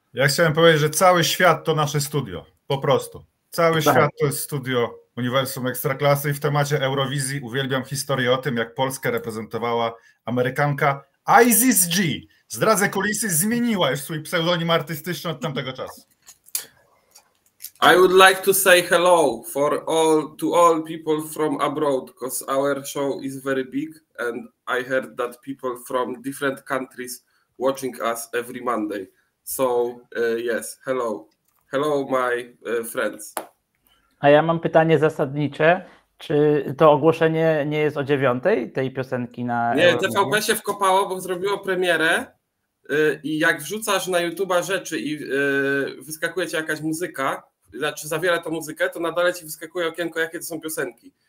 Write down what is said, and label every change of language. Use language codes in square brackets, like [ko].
[pl] Ja chciałem powiedzieć, że cały świat to nasze studio, po prostu. Cały świat to jest studio Uniwersum Ekstraklasy i w temacie Eurowizji uwielbiam historię o tym, jak Polskę reprezentowała Amerykanka Isis G. Zdradzę kulisy, zmieniła już swój pseudonim artystyczny od tamtego czasu. [en] I would like to say hello for all to all people from abroad, because our show is very big and I heard that people from different countries watching us every Monday. So yes, hello. Hello, my friends. [pl] A ja mam pytanie zasadnicze. Czy to ogłoszenie nie jest o 9 tej piosenki na... Nie, TVP się wkopało, bo zrobiło premierę i jak wrzucasz na YouTube'a rzeczy i wyskakuje ci jakaś muzyka, znaczy zawiera tą muzykę, to na dole ci wyskakuje okienko, jakie to są piosenki.